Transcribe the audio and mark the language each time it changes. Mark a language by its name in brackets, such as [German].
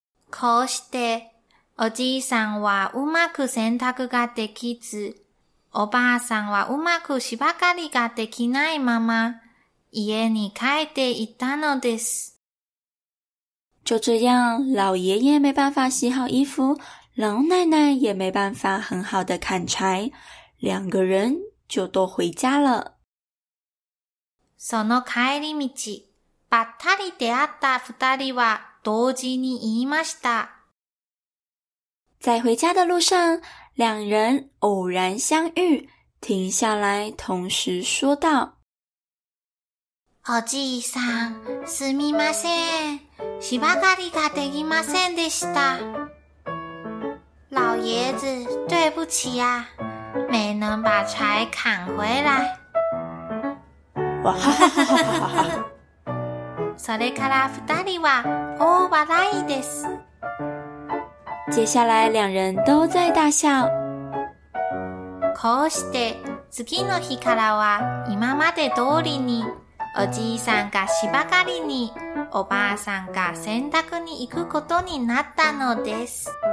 [Japanese] こうしておじいさんはうまく洗濯ができず、おばあさんはうまく芝刈りができないまま家に帰っていったのです。 [Chinese] 就这样，老爷爷没办法洗好衣服，老奶奶也没办法很好的砍柴，两个人就都回家了。 [Japanese] その帰り道、ばったり出会った二人は同時に言いました。 [Chinese] 在回家的路上，两人偶然相遇，停下来同时说道： [Japanese] おじいさん、すみません。芝刈りができませんでした。 [Chinese] 老爷子，对不起啊，没能把柴砍回来。哇哈哈哈哈哈哈！ [Japanese] それから二人は大笑いです。 [Chinese] 接下来两人都在大笑。 [Japanese] こうして次の日からは今まで通りに、おじいさんが芝刈りに、おばあさんが洗濯に行くことになったのです。